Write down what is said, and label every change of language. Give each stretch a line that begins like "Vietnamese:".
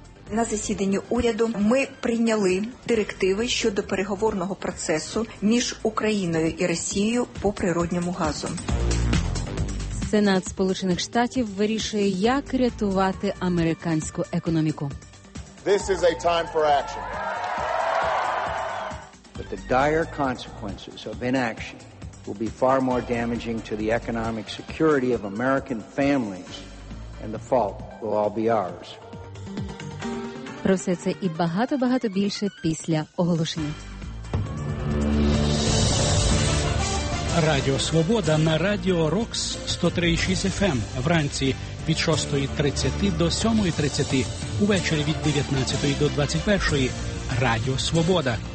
Ukrainian: На засіданні уряду ми прийняли директиви щодо переговорного процесу між Україною і Росією по природньому газу. Сенат Сполучених Штатів вирішує, як рятувати американську економіку.
English: This is a time for action. But the dire consequences of inaction will be far more damaging to the economic security of American families, and the fault will all be ours.
Ukrainian: Про все це і багато-багато більше після оголошення. Радіо Свобода на Радіо Рокс 103.6 FM вранці від 6.30 до 7.30, увечері від 19.00 до 21.00. Радіо Свобода.